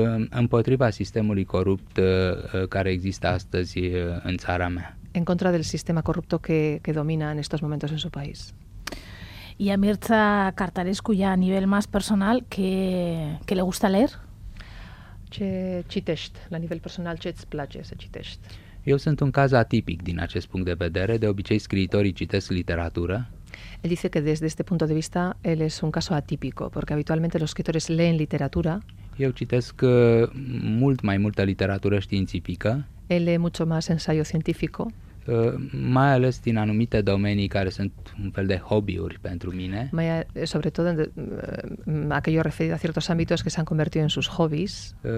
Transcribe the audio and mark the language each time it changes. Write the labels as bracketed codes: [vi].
[ro] Împotriva sistemului corupt care există astăzi în țara mea. [es] En contra del sistema corrupto que domina en estos momentos en su país. Y a Mirza Cartarescu, ya a nivel más personal, ¿qué le gusta leer? [ro] Ce citești? La nivel personal, ce îți place să citești? Eu sunt un caz atipic din acest punct de vedere. De obicei, scriitorii citesc literatură. [es] Él dice que desde este punto de vista él es un caso atípico, porque habitualmente los escritores leen literatura. [ro] Eu citesc mult mai multă literatură științifică. [es] Él lee mucho más ensayo científico. [ro] Mai ales din anumite domenii care sunt un fel de hobby-uri pentru mine. [es] Mai sobre todo aquello referido a ciertos ámbitos que se han convertido en sus hobbies.